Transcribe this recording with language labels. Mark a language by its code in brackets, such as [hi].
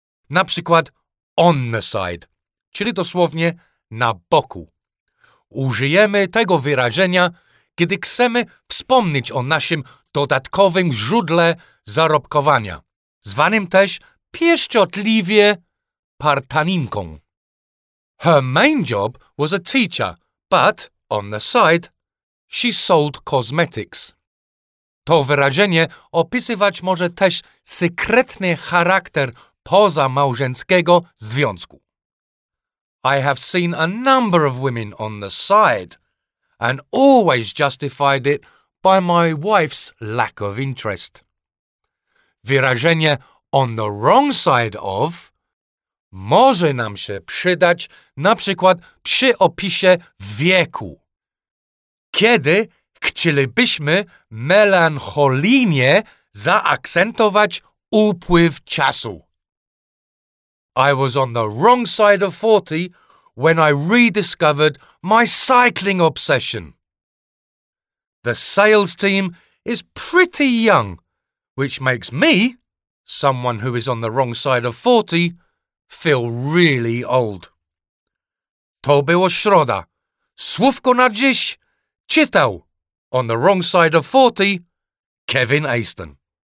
[pl] Na przykład [en] on the side, [pl] czyli dosłownie na boku. Użyjemy tego wyrażenia, kiedy chcemy wspomnieć o naszym dodatkowym źródle zarobkowania, zwanym też pieszczotliwie partaninką. [en] Her main job was a teacher, but on the side, she sold cosmetics. [pl] To wyrażenie opisywać może też sekretny charakter poza małżeńskiego związku. [en] I have seen a number of women on the side and always justified it by my wife's lack of interest. [pl] Wyrażenie [en] on the wrong side of [pl] może nam się przydać na przykład przy opisie wieku. Kiedy chcielibyśmy melancholijnie zaakcentować upływ czasu. [en] I was on the wrong side of 40 when I rediscovered my cycling obsession. The sales team is pretty young, which makes me, someone who is on the wrong side of 40, feel really old. [pl] To było środa. Słówko na dziś. Czytał, [en] on the wrong side of 40, [pl] Kevin Easton.